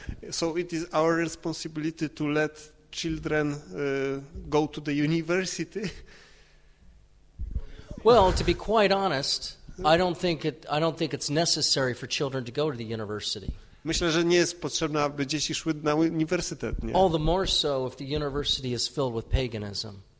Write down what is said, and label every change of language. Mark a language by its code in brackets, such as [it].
[en] So it is our responsibility to let children go to the university. Well, to be quite honest, I don't think it's necessary for children to go to the university. [pl] Myślę, że nie jest potrzebne, aby dzieci szły na uniwersytet, nie? [en] All the more so if the university is filled with paganism.